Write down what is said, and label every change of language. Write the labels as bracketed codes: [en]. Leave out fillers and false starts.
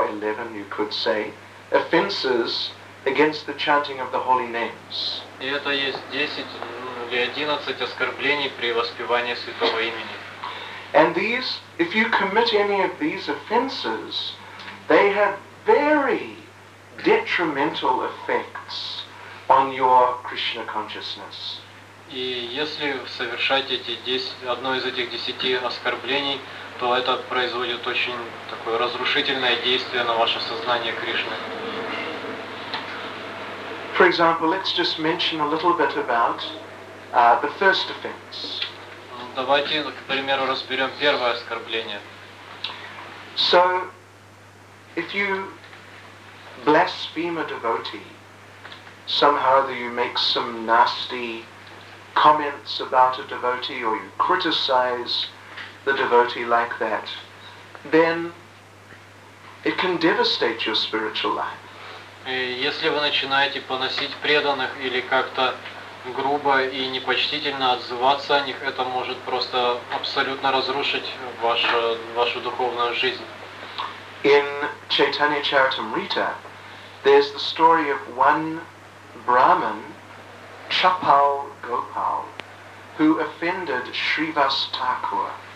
[en] 11, you could say, offenses against the chanting of the holy names. [ru] И это есть 10 или 11 оскорблений при воспевании святого имени. [en] And these, if you commit any of these offenses, they have very detrimental effects on your Krishna consciousness. [ru] И если совершать эти 10 оскорблений, то это производит очень такое разрушительное действие на ваше сознание Кришны. [en] For example, let's just mention a little bit about the first offense. [ru] Давайте, к примеру, разберем первое оскорбление. [en] So, if you blaspheme a devotee, somehow that you make some nasty comments about a devotee, or you criticize the devotee like that, then it can devastate your spiritual life. [ru] Если вы начинаете поносить преданных или как-то грубо и непочтительно отзываться о них, это может просто абсолютно разрушить вашу духовную жизнь. [en] In Chaitanya Charitamrita, there's the story of one Brahmin, Chapal Gopal, who offended Shrivas Thakur.